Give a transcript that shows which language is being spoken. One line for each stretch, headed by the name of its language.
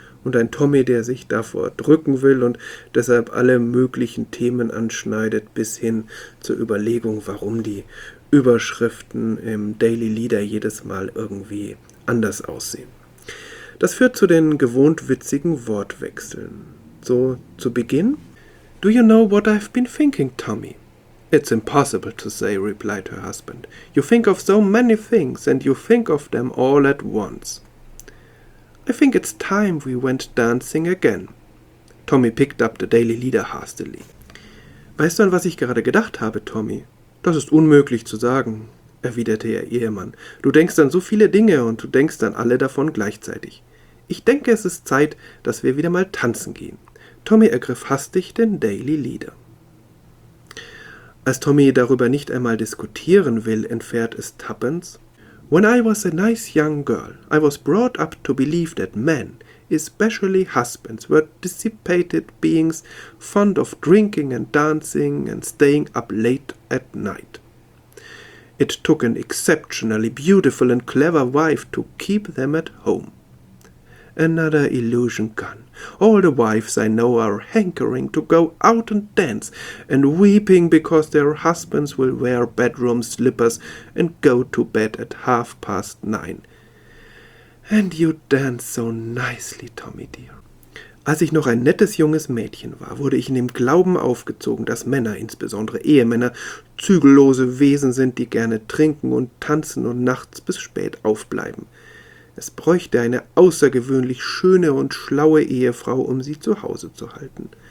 German: Und ein Tommy, der sich davor drücken will und deshalb alle möglichen Themen anschneidet, bis hin zur Überlegung, warum die Überschriften im Daily Leader jedes Mal irgendwie anders aussehen. Das führt zu den gewohnt witzigen Wortwechseln. So zu Beginn:
English: Do you know what I've been thinking, Tommy? It's impossible to say, replied her husband. You think of so many things and you think of them all at once. I think it's time we went dancing again. Tommy picked up the Daily Leader hastily.
German: Weißt du, an was ich gerade gedacht habe, Tommy? Das ist unmöglich zu sagen, erwiderte ihr Ehemann. Du denkst an so viele Dinge und du denkst an alle davon gleichzeitig. Ich denke, es ist Zeit, dass wir wieder mal tanzen gehen. Tommy ergriff hastig den Daily Leader. Als Tommy darüber nicht einmal diskutieren will, entfernt es Tuppence.
English: When I was a nice young girl, I was brought up to believe that men, especially husbands, were dissipated beings fond of drinking and dancing and staying up late at night. It took an exceptionally beautiful and clever wife to keep them at home. Another illusion gone. All the wives I know are hankering to go out and dance and weeping because their husbands will wear bedroom slippers and go to bed at 9:30. And you dance so nicely, Tommy dear.
German: Als ich noch ein nettes junges Mädchen war, wurde ich in dem Glauben aufgezogen, dass Männer, insbesondere Ehemänner, zügellose Wesen sind, die gerne trinken und tanzen und nachts bis spät aufbleiben. Es bräuchte eine außergewöhnlich schöne und schlaue Ehefrau, um sie zu Hause zu halten.